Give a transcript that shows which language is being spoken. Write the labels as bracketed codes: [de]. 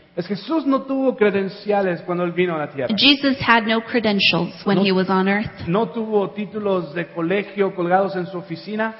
[es] Es Jesús no tuvo credenciales cuando él vino a la tierra. [en] Jesus had no credentials when he was on earth. [es] No tuvo títulos de colegio colgados en su oficina.